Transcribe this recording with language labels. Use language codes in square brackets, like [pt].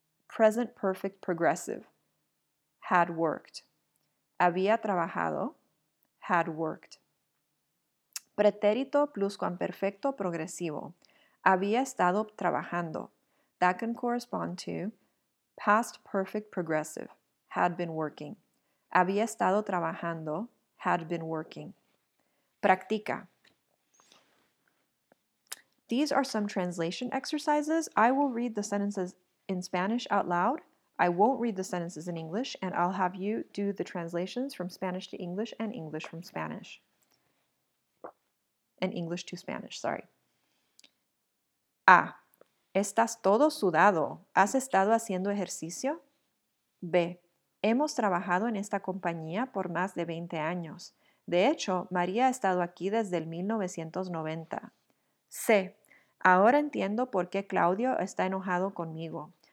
[en] present perfect progressive, had worked. [es] Había trabajado, [en] had worked. [es] Pretérito pluscuamperfecto progresivo. Había estado trabajando. [en] That can correspond to past perfect progressive, had been working. [es] Había estado trabajando, [en] had been working. [es] Practica. [en] These are some translation exercises. I will read the sentences in Spanish out loud. I won't read the sentences in English, and I'll have you do the translations from Spanish to English and English from Spanish. And English to Spanish, sorry. [es] A. Estás todo sudado. ¿Has estado haciendo ejercicio? B. Hemos trabajado en esta compañía por más de 20 años. De hecho, María ha estado aquí desde el 1990. C. Ahora entiendo por qué Claudio está enojado conmigo.